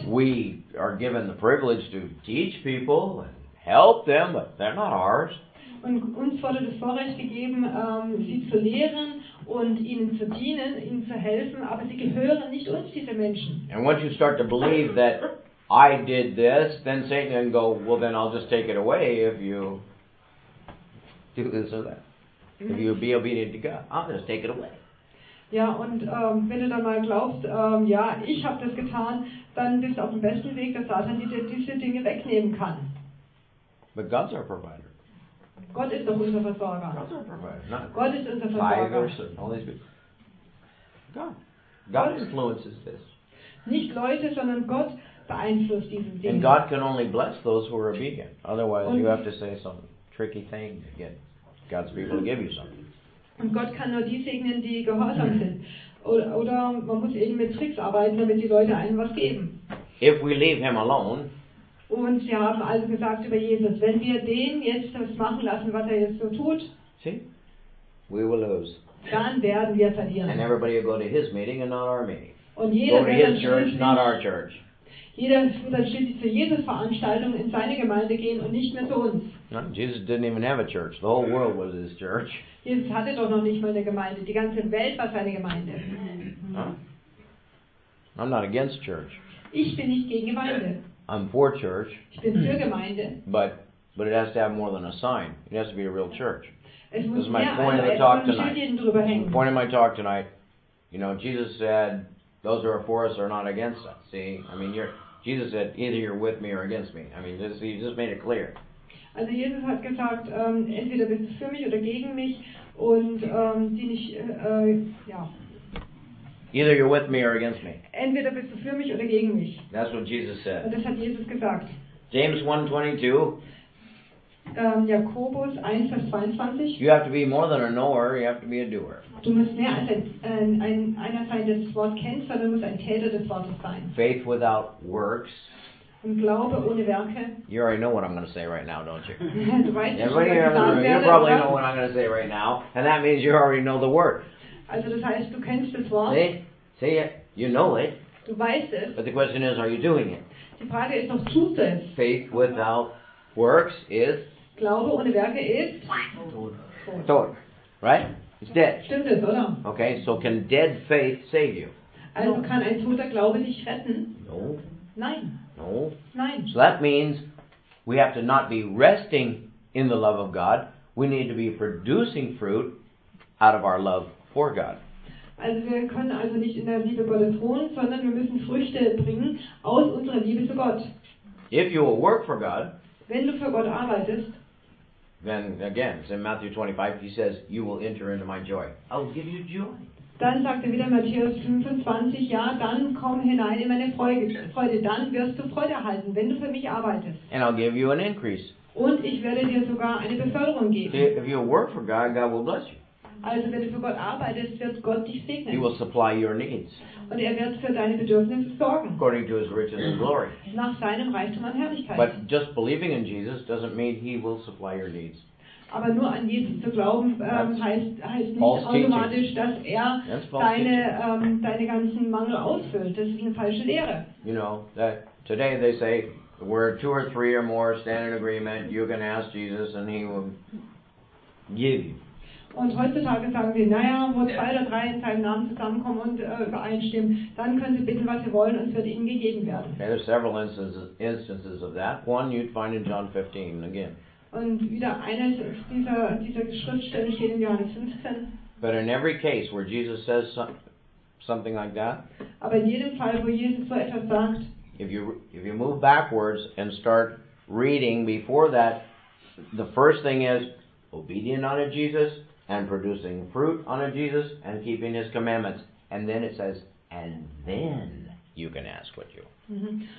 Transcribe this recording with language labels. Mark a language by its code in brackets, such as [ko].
[en] We are given the privilege to teach people and help them, but they're not ours. [de] Und uns wurde das Vorrecht gegeben, sie zu lehren und ihnen zu dienen, ihnen zu helfen, aber sie gehören nicht uns, diese Menschen. [en] And once you start to believe that I did this, then Satan can go, well, then I'll just take it away if you do this or that. If you be obedient to God, I'll just take it away. [de] Ja, und wenn du dann mal glaubst, ich habe das getan, dann bist du auf dem besten Weg, dass Satan dir diese Dinge wegnehmen kann. [en] But God's our provider. [de] Gott ist doch unser Versorger. Gott ist unser Versorger. [en] God influences this. [de] Nicht Leute, sondern Gott beeinflusst diesen Ding. [en] And God can only bless those who are obedient. Otherwise, you have to say some tricky thing to get God's people to give you something. [de] Und Gott kann nur die segnen, die gehorsam sind. Oder man muss eben mit Tricks arbeiten, damit die Leute einem was geben. [en] If we leave him alone. [de] Und sie haben also gesagt über Jesus, wenn wir den jetzt das machen lassen, was er jetzt so tut, [en] see? We will lose. [de] Dann werden wir verlieren. [en] And everybody will go to his meeting and not our meeting. [de] Und jeder [en] go to his church, not our church. [de] Jeder wird dann schließlich zu Jesus Veranstaltung in seine Gemeinde gehen und nicht mehr zu uns. [en] No, Jesus didn't even have a church. The whole world was his church. [de] Jesus hatte doch noch nicht mal eine Gemeinde. Die ganze Welt war seine Gemeinde. [en] No. I'm not against church. [de] Ich bin nicht gegen Gemeinde. [en] I'm for church. [de] Ich bin für Gemeinde. [en] But it has to have more than a sign. It has to be a real church. This is my point of the talk tonight. The point of my talk tonight, you know, Jesus said, those who are for us are not against us. See? I mean, Jesus said, either you're with me or against me. I mean, he just made it clear. [de] Also Jesus hat gesagt, entweder bist du für mich oder gegen mich. Und die nicht, ja. [en] Either you're with me or against me. [de] Entweder bist du für mich oder gegen mich. [en] That's what Jesus said. [de] Und das hat Jesus gesagt. [en] James 1:22. [de] Jakobus 1, Vers 22. [en] You have to be more than a knower, you have to be a doer. [de] Du musst mehr als einer sein, der das Wort kennt, sondern du musst ein Täter des Wortes sein. [en] Faith without works. [de] Und Glaube ohne Werke. [en] You already know what I'm going to say right now, don't you? [de] Du weißt, [en] everybody [de] schon, [en] here [de] gesagt, [en] in the room, you probably know [de] was? [en] What I'm going to say right now, and that means you already know the word. [de] Also das heißt, du kennst das Wort. [en] See it. You know it. [de] Du weißt es. [en] But the question is, are you doing it? [de] Die Frage ist, noch tust es? [en] Faith without works is? [de] Glaube ohne Werke ist? [en] Tod. Right? It's dead. [de] Stimmt es, oder? [en] Okay, so can dead faith save you? [de] Also kann ein toter Glaube dich retten? [en] No. [de] Nein. [en] No. [de] Nein. [en] So that means we have to not be resting in the love of God. We need to be producing fruit out of our love for God. [de] Also wir können also nicht in der Liebe Gottes ruhen, sondern wir müssen Früchte bringen aus unserer Liebe zu Gott. [en] If you will work for God, [de] wenn du für Gott arbeitest, [en] then again, in Matthew 25, he says, you will enter into my joy. I will give you joy. [de] Dann sagt er wieder Matthäus 25, ja, dann komm hinein in meine Freude. Dann wirst du Freude erhalten, wenn du für mich arbeitest. [en] And I'll give you an increase. [de] Und ich werde dir sogar eine Beförderung geben. [en] See, if you work for God, God will bless you. [de] Also wenn du für Gott arbeitest, wird Gott dich segnen. [en] He will supply your needs. [de] Und er wird für deine Bedürfnisse sorgen. [en] According to his riches and glory. [de] Nach seinem Reichtum und Herrlichkeit. [en] But just believing in Jesus doesn't mean he will supply your needs. [de] Aber nur an Jesus zu glauben, heißt nicht [en] false [de] automatisch, Dass er deine ganzen Mangel ausfüllt. Das ist eine falsche Lehre. [en] You know, that today they say, where two or three or more stand in agreement, you can ask Jesus and he will give you. [de] Und heutzutage sagen wir, wo zwei oder drei in seinem Namen zusammenkommen und übereinstimmen, dann können sie bitten, was sie wollen, und es wird ihnen gegeben werden. [en] Okay, there are several instances of that. One you'd find in John 15 again. [de] Und wieder eines dieser Schriftstellen steht in Johannes 15. [en] But in every case where Jesus says something like that, [de] aber in jedem Fall, wo Jesus so etwas sagt, [en] if you move backwards and start reading before that, the first thing is obedient unto Jesus and producing fruit unto Jesus and keeping his commandments. And then it says, and then you can ask what you want.